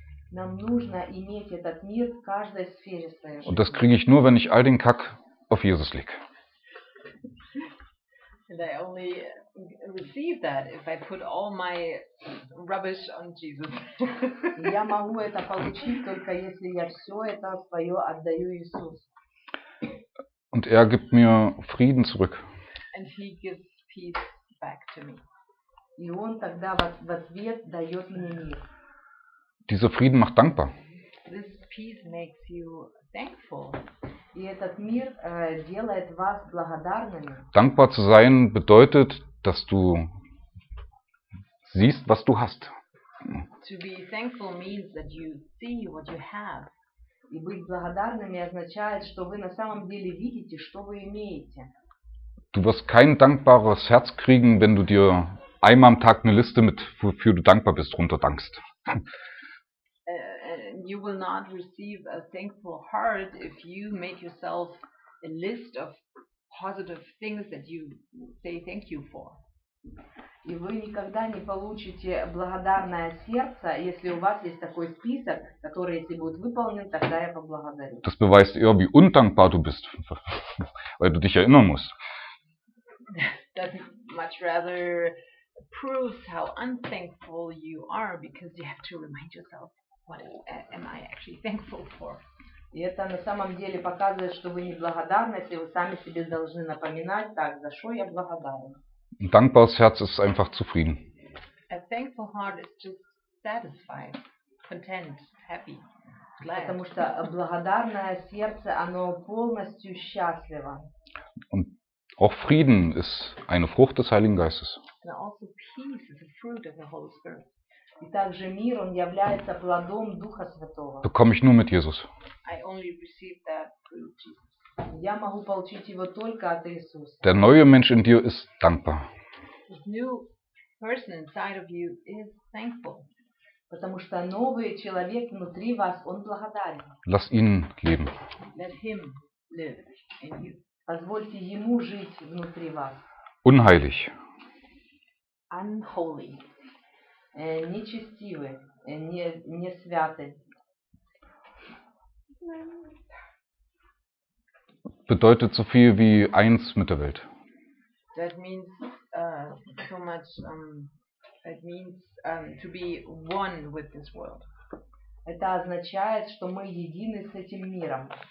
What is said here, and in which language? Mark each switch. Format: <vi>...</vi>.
<ru>Нам нужно иметь этот мир в каждой сфере своей жизни.</ru> <de>Und das kriege ich nur, wenn ich all den Kack auf Jesus leg.</de> <en>And I only receive that if I put all my rubbish on Jesus.</en> <ru>Я могу это получить только если я все это свое отдаю Иисусу.</ru> <de>Und er gibt mir Frieden zurück.</de> <en>And he gives peace back to me.</en> <ru>И он тогда в ответ дает мне мир.</ru> <de>Dieser Frieden macht dankbar.</de> <en>This peace makes you thankful.</en> <ru>И этот мир делает вас благодарными.</ru> <de>Dankbar zu sein bedeutet, dass du siehst, was du hast.</de> <en>To be thankful means that you see what you have.</en> <ru>И быть благодарными означает, что вы на самом деле видите, что вы имеете.</ru> <de>Du wirst kein dankbares Herz kriegen, wenn du dir einmal am Tag eine Liste mit, wofür du dankbar bist, runterdankst.</de> <en>You will not receive a thankful heart if you make yourself a list of positive things that you say thank you for.</en> <ru>И вы никогда не получите благодарное сердце, если у вас есть такой список, который, если будет выполнен, тогда я поблагодарю.</ru> <de>Das beweist eher, wie undankbar du bist, weil du dich erinnern musst.</de> <en>That much rather proves how unthankful you are, because you have to remind yourself, what am I actually thankful for?</en> <ru>И это на самом деле показывает, что вы неблагодарны, если вы сами себе должны напоминать, так, за что я благодарен.</ru> <de>Ein dankbares Herz ist einfach zufrieden.</de> <en>A thankful heart is just satisfied, content, happy, glad.</en> <ru>Потому что благодарное сердце, оно полностью счастливо.</ru> <de>Und auch Frieden ist eine Frucht des Heiligen Geistes.</de> <en>And also peace is a fruit of the Holy Spirit.</en> <ru>И также мир, он является плодом Духа Святого.</ru> <de>Bekomme ich nur mit Jesus.</de> <en>I only receive that through Jesus.</en> <ru>Я могу получить его только от Иисуса.</ru> <de>Der neue Mensch in dir ist dankbar.</de> <en>This new person inside of you is thankful.</en> <ru>Потому что новый человек внутри вас, он благодарен.</ru> <de>Lass ihn leben.</de> <en>Let him live in you.</en> <ru>Позвольте ему жить внутри вас.</ru> <de>Unheilig.</de> <en>Unholy.</en> <ru>Нечестивый. Не святый.</ru> <de>Bedeutet so viel wie eins mit der Welt.</de> <en>That means so much. It means to be one with this world.</en> <ru>Это означает, что мы едины с этим миром.</ru>